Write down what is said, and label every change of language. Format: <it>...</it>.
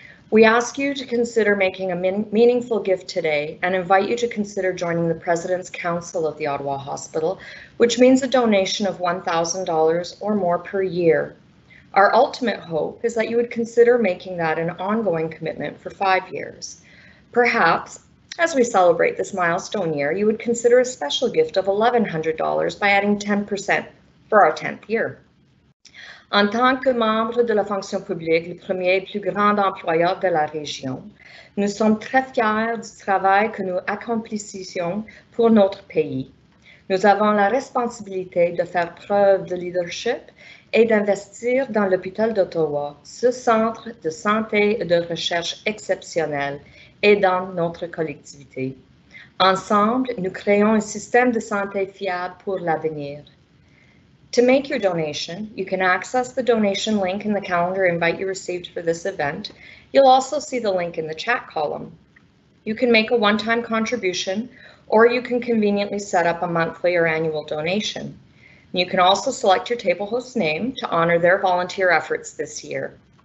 <en>We ask you to consider making a meaningful gift today and invite you to consider joining the President's Council of the Ottawa Hospital, which means a donation of $1,000 or more per year. Our ultimate hope is that you would consider making that an ongoing commitment for 5 years. Perhaps, as we celebrate this milestone year, you would consider a special gift of $1,100 by adding 10% for our 10th year.</en> <fr>En tant que membre de la fonction publique, le premier et plus grand employeur de la région, nous sommes très fiers du travail que nous accomplissons pour notre pays. Nous avons la responsabilité de faire preuve de leadership et d'investir dans l'hôpital d'Ottawa, ce centre de santé et de recherche exceptionnel, et dans notre collectivité. Ensemble, nous créons un système de santé fiable pour l'avenir.</fr> <en>To make your donation, you can access the donation link in the calendar invite you received for this event. You'll also see the link in the chat column. You can make a one-time contribution, or you can conveniently set up a monthly or annual donation. You can also select your table host's name to honor their volunteer efforts this year.</en>